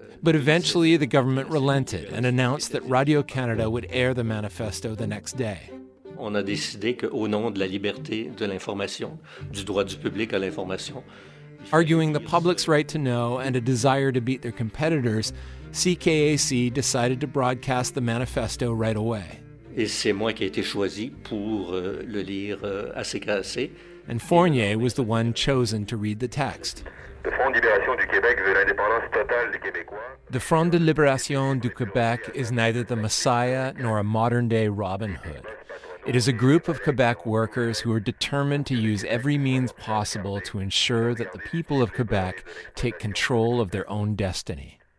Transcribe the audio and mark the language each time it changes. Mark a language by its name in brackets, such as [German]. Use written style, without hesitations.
[English] But eventually the government relented and announced that Radio-Canada would air the manifesto the next day. Arguing the public's right to know and a desire to beat their competitors, CKAC decided to broadcast the manifesto right away. [French] Et c'est moi qui ai été choisi pour le lire à CKAC. [English] And Fournier was the one chosen to read the text. The Front de Libération du Québec is neither the Messiah nor a modern-day Robin Hood. It is a group of Quebec workers who are determined to use every means possible to ensure that the people of Quebec take control of their own destiny.